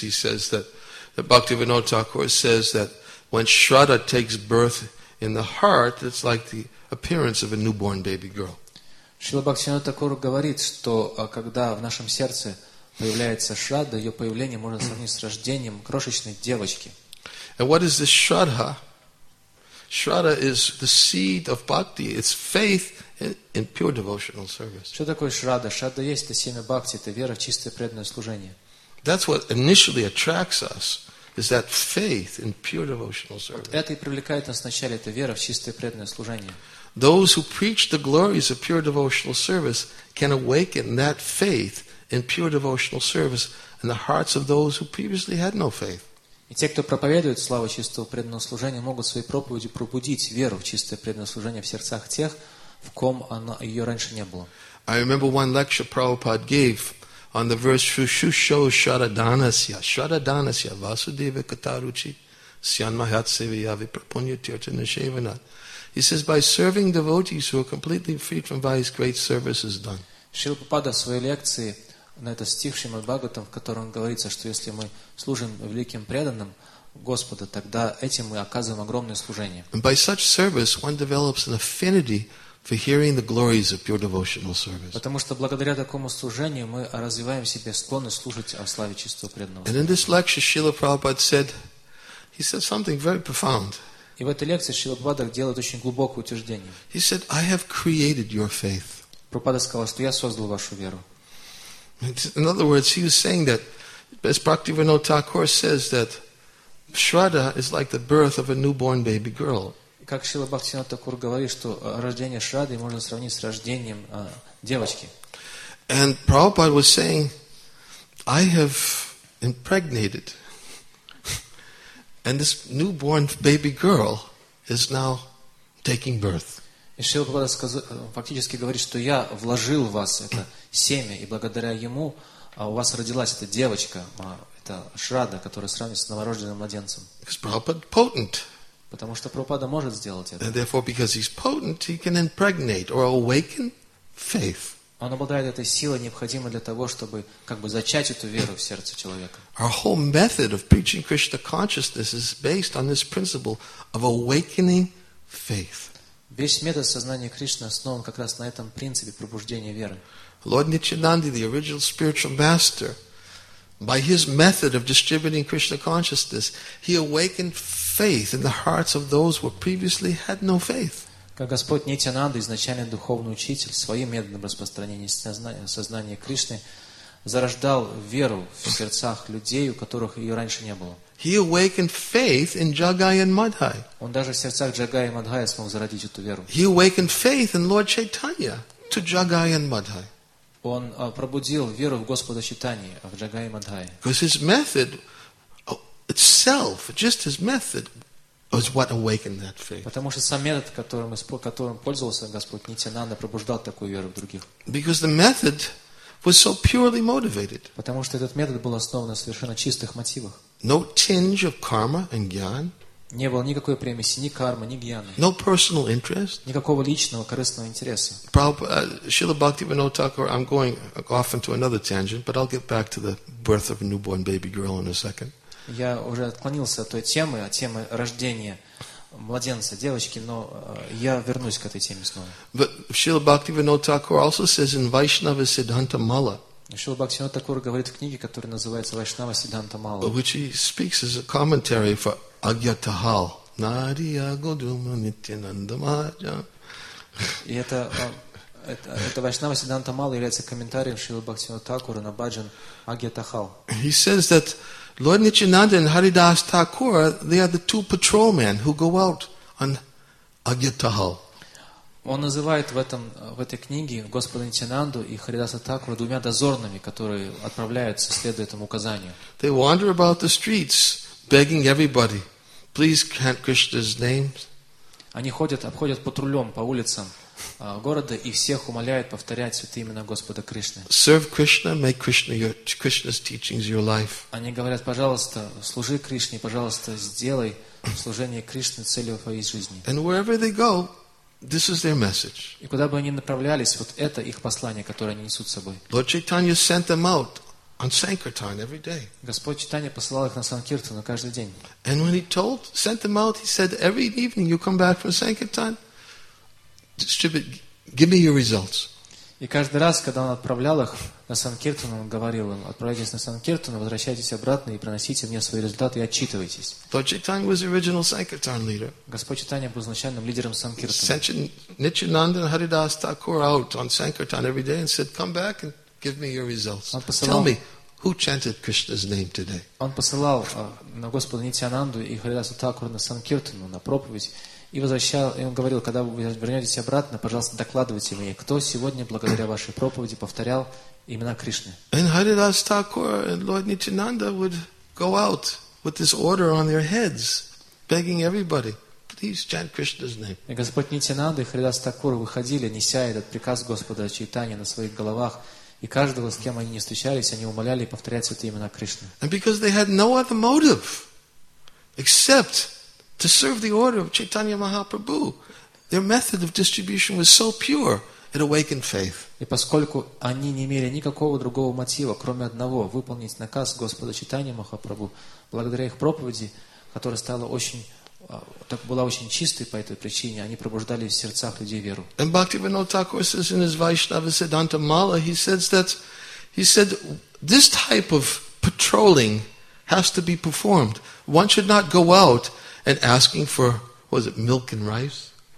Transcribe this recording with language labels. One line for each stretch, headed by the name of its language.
English: He says that Bhaktivinoda Thakur says that when Shraddha takes birth in the heart, it's like the appearance of a newborn baby girl.
Russian: Шрила Бхактивинода Такур говорит, что когда в нашем сердце появляется Шрадха, ее появление можно сравнить с рождением крошечной девочки.
English: And what is this Shraddha? Shraddha is the seed of bhakti. It's faith in pure devotional service.
Russian: Что такое Шрадха? Шрадха есть это семя бхакти, это вера в чистое преданное служение.
English: That's what initially attracts us, is that faith in pure devotional service.
Russian: Это и привлекает нас вначале, это вера в чистое преданное служение.
English: Those who preach the glories of pure devotional service can awaken that faith in pure devotional service in the hearts of those who previously had no faith.
Russian: И те, кто проповедует славу чистого преданного служения, могут своей проповедью пробудить веру в чистое преданное служение в сердцах тех, в ком она ее раньше не было.
English: I remember one lecture Prabhupada gave on the verse
Sanskrit: Shushusho Shraddhanasya. Shraddhanasya Vasudeva Kataruchi Sian Mahatseviya Vipraponyatirta Nishevana.
English: He says, by serving devotees who are completely freed from vice, great service is done.
Russian: Шрила Прабхупада в своей лекции на этот стих Шримад Бхагаватам, в котором говорится, что если мы служим великим преданным Господа, тогда этим мы оказываем огромное служение.
English: And by such service, one develops an affinity for hearing the glories of pure devotional service.
Russian: Потому что благодаря такому служению мы развиваем в себе склонность служить о славе чистого преданного.
English: And in this lecture, Шрила Прабхупада said, he said something very profound.
Russian: И в этой лекции Шрила Прабхупада делает очень глубокое утверждение.
English: He said, I have created your faith.
Russian: Прабхупада сказал, что я создал вашу веру.
English: In other words, he was saying that, as Bhaktivinoda Thakur says, that Shraddha is like the birth of a newborn baby girl.
Russian: Как Шрила Бхактивинода Такур говорит, что рождение Шрадды можно сравнить с рождением девочки.
English: And Prabhupada was saying, I have impregnated. And this newborn baby girl is now taking birth.
Russian: И Шрила Прабхупада фактически говорит, что я вложил в вас это семя, и благодаря ему у вас родилась эта девочка, эта Шрадда, которая сравнится с новорожденным младенцем.
English: Because Prabhupada is potent.
Russian: Потому что Прабхупада может сделать это.
English: And therefore, because he's potent, he can impregnate or awaken faith.
Russian: Он обладает этой силой, необходимой для того, чтобы как бы зачать эту веру в сердце человека.
English: Our whole method of preaching Krishna consciousness is based on this principle of awakening faith.
Russian: Весь метод сознания Кришны основан как раз на этом принципе пробуждения веры.
English: Lord Nityananda, the original spiritual master, by his method of distributing Krishna consciousness, he awakened faith in the hearts of those who previously had no faith.
Russian: Как Господь Нитянанда, изначальный духовный учитель, своим методом распространения сознания Кришны, зарождал веру в сердцах людей, у которых ее раньше не было.
English: He awakened faith in Jagai and Madhai.
Russian: Он даже в сердцах Джагая и Мадхая смог зародить эту веру.
English: He awakened faith in Lord Chaitanya to Jagai and Madhai.
Russian: Он пробудил веру в Господа Чайтаньи, в Джагай и Мадхая.
English: Because his method itself, just his method, was what awakened that faith.
Russian: Потому что сам метод, которым пользовался Господь Нитянанда, пробуждал такую веру в других.
English: Because the method was so purely motivated.
Russian: Потому что этот метод был основан на совершенно чистых мотивах.
English: No tinge of karma and gyan.
Russian: Не было никакой примеси ни кармы, ни гьяны.
English: No personal interest.
Russian: Никакого личного корыстного интереса.
English: Srila Bhaktivinoda Thakur, I'm going off into another tangent, but I'll get back to the birth of a newborn baby girl in a second.
Russian: Я уже отклонился от той темы, от темы рождения младенца, девочки, но я вернусь к этой теме снова.
English: But Srila Bhaktivinoda Thakur also says in Vaishnava Siddhanta Mala.
Russian: Srila Bhaktivinoda Thakur говорит в книге, которая называется Vaishnava Siddhanta Mala.
English: Which he speaks as a commentary for Agyatahal.
Bangla: Nariya Goduma Nityananda Maja.
Russian: И это Vaishnava Siddhanta Mala является комментарием Srila Bhaktivinoda Thakur на Баджан Агьятахал.
English: He says that Lord Nityananda and Haridas Thakur, they are the two patrolmen who go out on Agyatahal.
Russian: Он называет в этой книге Господа Нитянанду и Харидаса Такура двумя дозорными, которые отправляются, следуя этому указанию.
English: They wander about the streets, begging everybody, please chant Krishna's names.
Russian: Они ходят, обходят патрулем по улицам, города, и всех умоляют повторять святые имена Господа Кришны.
English: Serve Krishna, make Krishna your, Krishna's teachings your life.
Russian: Они говорят, пожалуйста, служи Кришне, пожалуйста, сделай служение Кришне целью твоей жизни.
English: And wherever they go, this is their message.
Russian: И куда бы они направлялись, вот это их послание, которое они несут с собой.
English: Lord Chaitanya sent them out on Sankirtan every day.
Russian: Господь Чайтанья посылал их на Санкиртану каждый день.
English: And when he told, sent them out, he said, every evening you come back from Sankirtan, distribute, give me your results.
Russian: И каждый раз, когда он отправлял их на Санкиртану, он говорил им, отправляйтесь на Санкиртану, возвращайтесь обратно и приносите мне свои результаты и отчитывайтесь.
English: Lord Chaitanya was the original Sankirtan leader.
Russian: Господь Чайтанья был изначальным лидером Санкиртана.
English: He sent Nityananda and Haridas Thakur out on Sankirtan every day and said, come back and give me your results. Tell me, who chanted Krishna's name today?
Russian: Он посылал на Господа Нитьянанду и Харидаса Такура на Санкиртану, на проповедь, и возвращал, и он говорил, когда вы вернетесь обратно, пожалуйста, докладывайте мне, кто сегодня, благодаря вашей проповеди, повторял имена Кришны.
English: And Харидас Такур and Lord Nityananda would go out with this order on their heads, begging everybody, please chant Krishna's name.
Russian: И Господь Нитьянанда и Харидас Такур выходили, неся этот приказ Господа Чайтанья на своих головах, и каждого, с кем они не встречались, они умоляли повторять святые имена Кришны.
English: And because they had no other motive except to serve the order of Chaitanya Mahaprabhu, their method of distribution was so pure, it awakened faith.
Russian: И поскольку они не имели никакого другого мотива, кроме одного, выполнить наказ Господа Чайтанья Махапрабху, благодаря их проповеди, которая стала очень, так была очень чистой по этой причине, они пробуждали в сердцах людей веру.
English: And Bhaktivinoda Thakur says in his Vaishnava Siddhanta Mala, he says that, he said, this type of patrolling has to be performed. One should not go out and asking for, was it milk and rice?